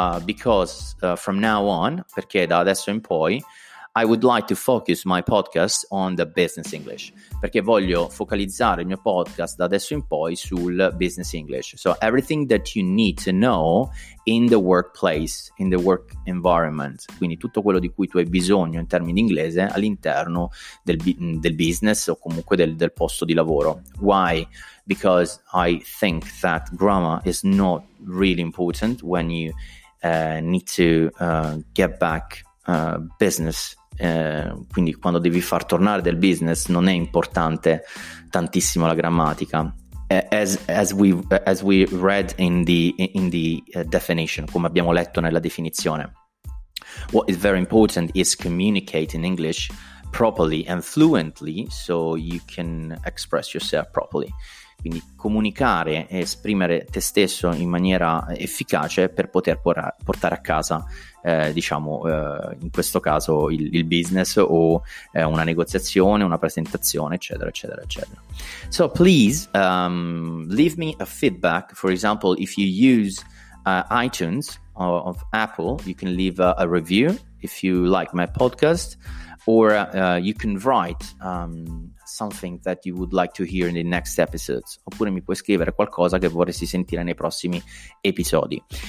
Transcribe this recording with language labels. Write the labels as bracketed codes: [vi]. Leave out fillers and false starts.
[en] Because from now on, [it] perché da adesso in poi, [en] I would like to focus my podcast on the business English. [it] Perché voglio focalizzare il mio podcast da adesso in poi sul business English. [en] So everything that you need to know in the workplace, in the work environment. [it] Quindi tutto quello di cui tu hai bisogno in termini di inglese all'interno del business o comunque del posto di lavoro. [en] Why? Because I think that grammar is not really important when you need to get back business. [it] Quindi quando devi far tornare del business non è importante tantissimo la grammatica, [en] as we read in the definition, [it] come abbiamo letto nella definizione. [en] What is very important is communicate in English properly and fluently so you can express yourself properly. [it] Quindi comunicare e esprimere te stesso in maniera efficace per poter portare a casa, diciamo, in questo caso il business o una negoziazione, una presentazione, eccetera, eccetera, eccetera. [en] So please leave me a feedback. For example, if you use iTunes or of Apple, you can leave a review if you like my podcast, or you can write something that you would like to hear in the next episodes. [it] Oppure mi puoi scrivere qualcosa che vorresti sentire nei prossimi episodi.